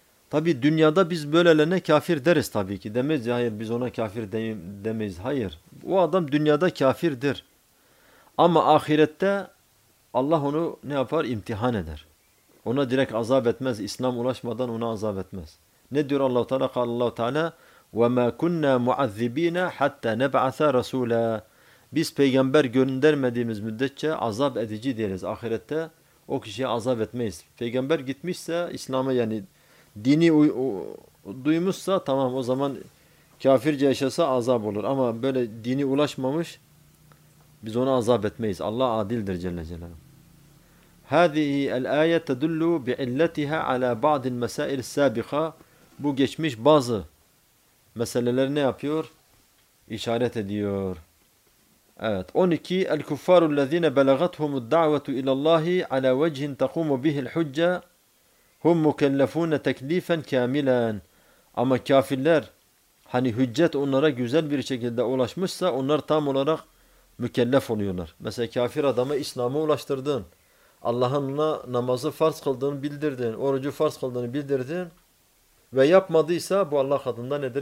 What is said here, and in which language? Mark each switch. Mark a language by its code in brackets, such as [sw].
[tr] Tabii dünyada biz böylelerine kafir deriz tabii ki. Demeyiz ya, hayır biz ona kafir demeyiz. Hayır. O adam dünyada kafirdir. Ama ahirette Allah onu ne yapar? İmtihan eder. Ona direkt azap etmez. İslam ulaşmadan ona azap etmez. Ne diyor Allah-u Teala? [ar] Kâle Allah-u Teala وَمَا كُنَّا مُعَذِّب۪ينَ حَتَّى نَبْعَثَ رَسُولًا. [tr] Biz peygamber göndermediğimiz müddetçe azap edici değiliz. Ahirette o kişiye azap etmeyiz. Peygamber gitmişse İslam'a, yani dini duymuşsa tamam, o zaman kafirce yaşasa azap olur. Ama böyle dini ulaşmamış, biz ona azap etmeyiz. Allah adildir Celle Celaluhu. [ar] هذه الآية تدل بعلتها على بعض المسائل السابقة. [tr] Bu geçmiş bazı meseleler ne yapıyor? İşaret ediyor. Evet. 12. [ar] الكفار الذين بلغتهم الدعوة إلى الله على وجه تقوم به الحجة هم مكلفون تكليفا كاملا. [tr] Ama kafirler, hani hüccet onlara güzel bir şekilde ulaşmışsa onlar tam olarak mükellef oluyorlar. Mesela kafir adama İslam'ı ulaştırdın. Allah'ın ona namazı farz kıldığını bildirdin. Orucu farz kıldığını bildirdin. Ve yapmadıysa bu Allah katında nedir?